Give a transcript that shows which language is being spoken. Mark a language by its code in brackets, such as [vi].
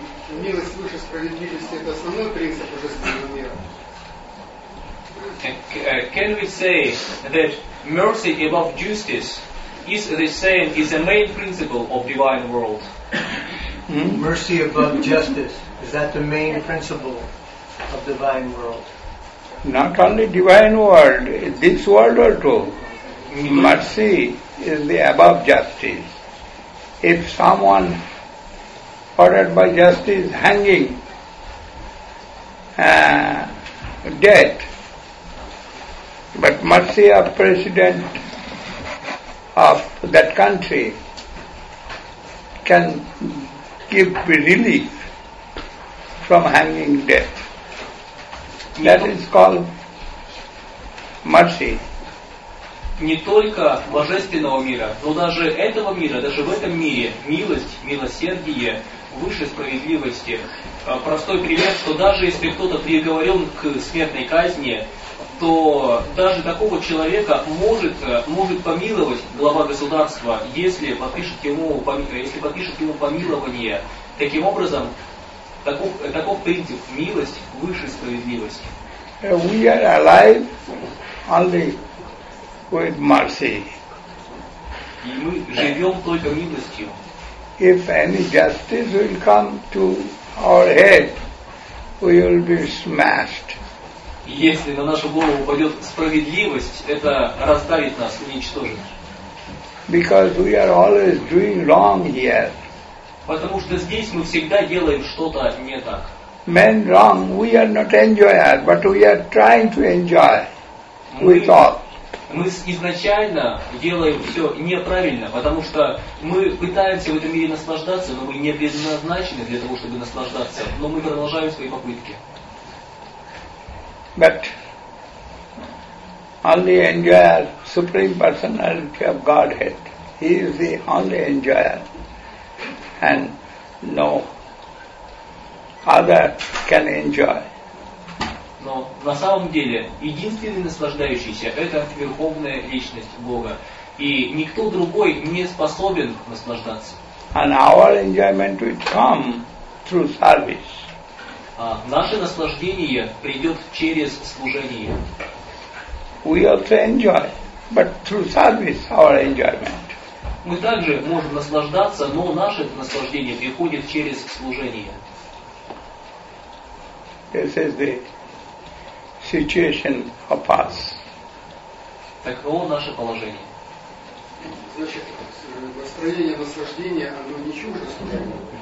[ru] Милость выше справедливости — это основной принцип божественного мира. [en] can we say that mercy above justice is the same, is the main principle of divine world? Mercy above justice, is that the main principle of divine world? Not only divine world, this world also. Mercy is the above justice. If someone ordered by justice hanging, dead, but mercy of president of that country can give relief from hanging death. That is called mercy. [ru] Не только божественного мира, но даже этого мира, даже в этом мире, милость, милосердие, выше справедливости. Простой пример, что даже если кто-то приговорен к смертной казни, то даже такого человека может помиловать глава государства, если подпишет ему помилование. Таким образом, таков принцип – милость выше справедливости. [en] We are alive only with mercy. [ru] И мы живем только милостью. [en] If any justice will come to our head, we will be smashed. [ru] Если на нашу голову упадет справедливость, это раздавит нас, уничтожит. [en] Because we are always doing wrong here. [ru] Потому что здесь мы всегда делаем что-то не так. [en] Men wrong, we are not enjoyers, but we are trying to enjoy with all. [ru] Мы изначально делаем все неправильно, потому что мы пытаемся в этом мире наслаждаться, но мы не предназначены для того, чтобы наслаждаться, но мы продолжаем свои попытки. [en] But only enjoyer, Supreme Personality of Godhead, He is the only enjoyer, and no other can enjoy. [ru] Но на самом деле единственный наслаждающийся – это Верховная Личность Бога. И никто другой не способен наслаждаться. [en] And our enjoyment will come through service. [ru] А наше наслаждение придет через служение. [en] We also enjoy, but through service our enjoyment. [ru] Мы также можем наслаждаться, но наше наслаждение приходит через служение. [en] This is the situation of us. [ru] Таково наше положение. Значит, настроение наслаждения, оно не чуждо служению.